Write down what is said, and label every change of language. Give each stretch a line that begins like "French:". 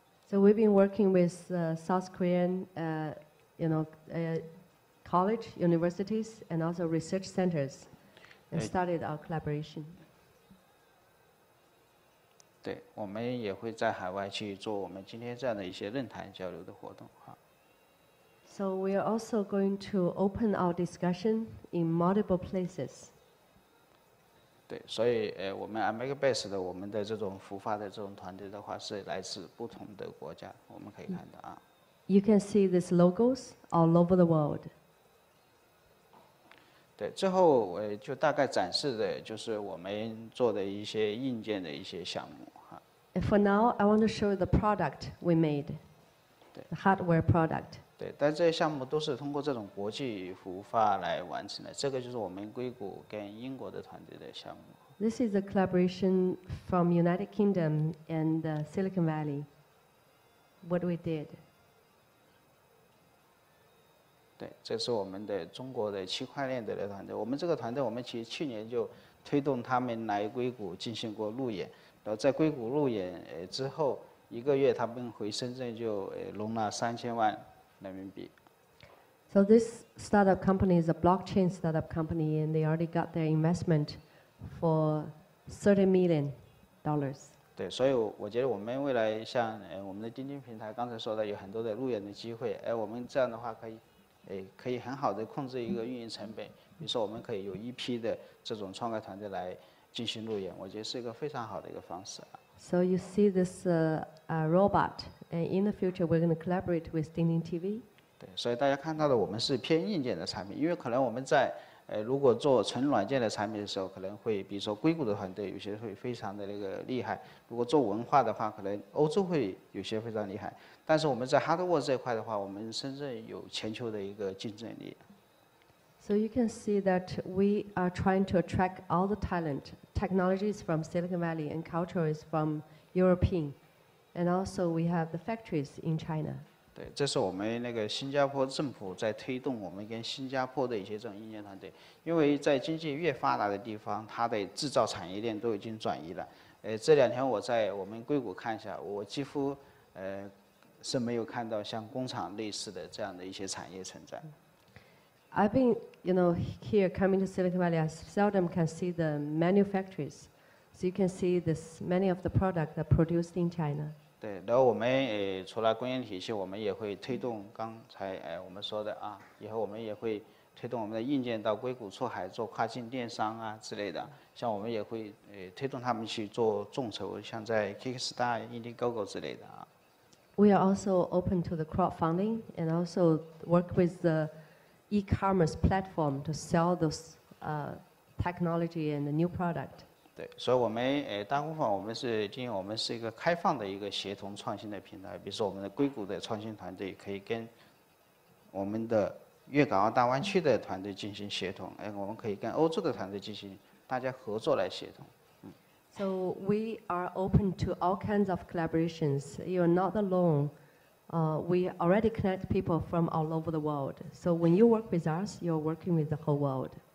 English: So we've been working with South Korean college, universities, and also research centers and started our collaboration.
Chinese: 对，我们也会在海外去做我们今天这样的一些论坛交流的活动。
English: So we are also going to open our discussion in multiple places.
Chinese: 对，所以我们 America Base 的我们的这种孵化的这种团队的话是来自不同的国家，我们可以看到啊。
English: You can see these logos all over the world.
Chinese: 对，最后我就大概展示的就是我们做的一些硬件的一些项目哈。
English: For now, I want to show the product we made. The hardware product.
Chinese: 对，但这些项目都是通过这种国际孵化来完成的。这个就是我们硅谷跟英国的团队的项目。
English: This is a collaboration from United Kingdom and Silicon Valley. What we did.
Chinese: 对，这是我们的中国的区块链的团队。我们这个团队，我们其实去年就推动他们来硅谷进行过路演，然后在硅谷路演之后一个月，他们回深圳就融了3000万。
English: So this startup company is a blockchain startup company, and they already got their investment for $30 million.
Chinese: 对，所以我觉得我们未来像我们的钉钉平台刚才说的，有很多的路演的机会。我们这样的话可以很好的控制一个运营成本。比如说，我们可以有一批的这种创客团队来进行路演，我觉得是一个非常好的一个方式。
English: So you see this robot. And in the future, we're going to collaborate with Dingding TV.
Chinese: 对，所以大家看到的我们是偏硬件的产品，因为可能我们在如果做纯软件的产品的时候，可能会比如说硅谷的团队有些会非常的那个厉害。如果做文化的话，可能欧洲会有些非常厉害。但是我们在 hardware 这块的话，我们深圳有全球的一个竞争力。
English: So you can see that we are trying to attract all the talent. Technology is from Silicon Valley, and culture is from European. And also, we have the factories in China.
Chinese: 对，这是我们那个新加坡政府在推动我们跟新加坡的一些这种硬件团队。因为在经济越发达的地方，它的制造产业链都已经转移了。这两天我在我们硅谷看一下，我几乎是没有看到像工厂类似的这样的一些产业存在。
English: I've been, you know, here coming to Silicon Valley, I seldom can see the manufacturers. So you can see this many of the products are produced in China.
Chinese: 对，然后我们除了供应体系，我们也会推动刚才我们说的啊，以后我们也会推动我们的硬件到硅谷出海做跨境电商啊之类的。像我们也会推动他们去做众筹，像在 Kickstarter、Indiegogo 之类的啊。
English: We are also open to the crowdfunding and also work with the e-commerce platform to sell those technology and the new product.
Chinese: 对，所以我们大工坊我们是建议我们是一个开放的一个协同创新的平台。比如说我们的硅谷的创新团队可以跟我们的粤港澳大湾区的团队进行协同，我们可以跟欧洲的团队进行大家合作来协同。
English: So we are open to all kinds of collaborations. You're not alone. We already connect people from all over the world. So when you work with us, you're working with the whole world.